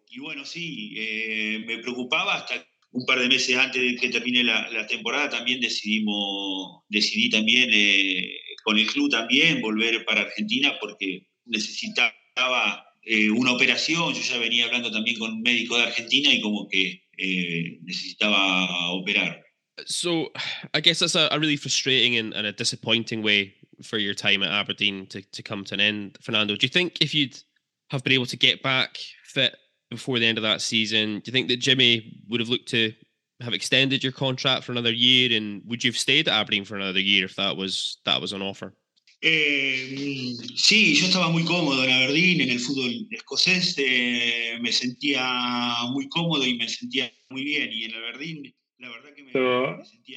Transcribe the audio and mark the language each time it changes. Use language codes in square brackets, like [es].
[es] Y bueno, sí, me preocupaba hasta un par de meses antes de que termine la temporada. También decidí también con el club también volver para Argentina porque necesitaba una operación. Yo ya venía hablando también con un médico de Argentina y como que necesitaba operar. [en] So I guess that's a really frustrating and a disappointing way for your time at Aberdeen to come to an end, Fernando. Do you think if you'd have been able to get back fit before the end of that season, do you think that Jimmy would have looked to have extended your contract for another year, and would you have stayed at Aberdeen for another year if that was an offer? [es] Sí, yo estaba muy cómodo en Aberdeen, en el fútbol escocés, me sentía muy cómodo y me sentía muy bien, y en Aberdeen, la verdad que